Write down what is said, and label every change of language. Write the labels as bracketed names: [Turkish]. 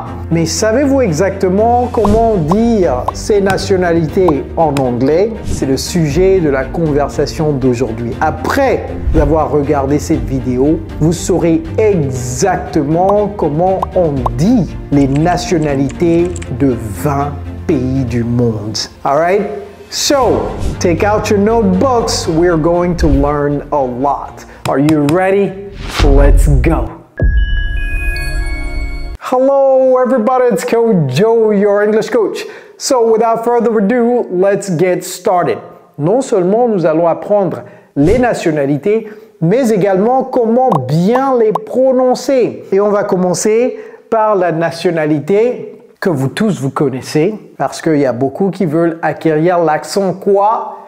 [French] Mais savez-vous exactement comment dire ces nationalités en anglais? C'est le sujet de la conversation d'aujourd'hui. Après avoir regardé cette vidéo, vous saurez exactement comment on dit les nationalités de 20 pays du monde. [English] All right? So, take out your notebooks. We're going to learn a lot. Are you ready? Let's go. Hello, everybody. It's Coach Joe, your English coach. So, without further ado, let's get started. [French] Non seulement nous allons apprendre les nationalités, mais également comment bien les prononcer. Et on va commencer par la nationalité que vous tous vous connaissez, parce qu'il y a beaucoup qui veulent acquérir l'accent quoi?